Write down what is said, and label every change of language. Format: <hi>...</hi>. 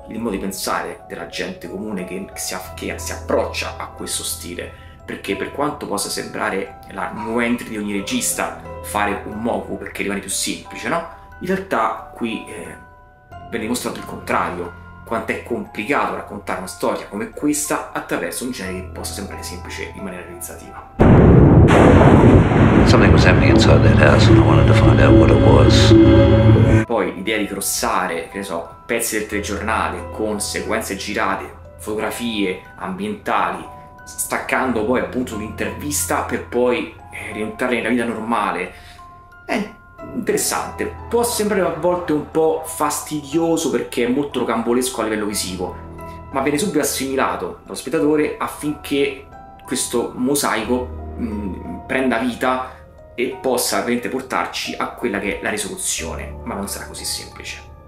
<it>il modo di pensare della gente comune che si approccia a questo stile, perché per quanto possa sembrare la new entry di ogni regista fare un moku perché rimane più semplice, no? In realtà qui viene dimostrato il contrario, quanto è complicato raccontare una storia come questa attraverso un genere che possa sembrare semplice in maniera realizzativa.</it> <en>Something was happening inside that house and I wanted to find out what it was.</en> <it>Poi l'idea di crossare, che ne so, pezzi del telegiornale con sequenze girate, fotografie ambientali, staccando poi appunto un'intervista per poi rientrare nella vita normale, è interessante. Può sembrare a volte un po' fastidioso perché è molto rocambolesco a livello visivo, ma viene subito assimilato dallo spettatore affinché questo mosaico prenda vita e possa veramente portarci a quella che è la risoluzione, ma non sarà così semplice.</it>